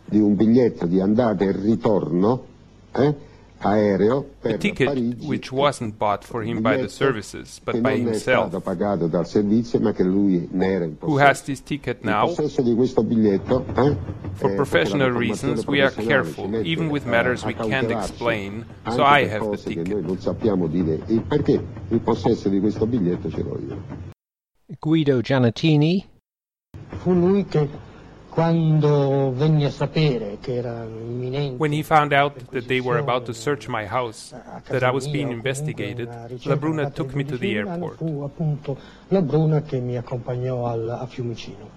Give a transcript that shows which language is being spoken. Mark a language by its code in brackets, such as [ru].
[it] Di un biglietto di andata e ritorno, aereo per [en] a ticket [it] Parigi, [en] which wasn't bought for him by the services, but by himself, who has this ticket now. For professional reasons, we are careful, even with matters we can't explain, so I have the ticket. [it] Non sappiamo dire il perché il possesso di questo biglietto ce l'ho io. [en] Guido Giannettini. [it] Fu lui che quando venne a sapere che era imminente, [en] when he found out that they were about to search my house, that I was being investigated, La Bruna took me to the airport. [it] Fu appunto La Bruna che mi accompagnò a Fiumicino.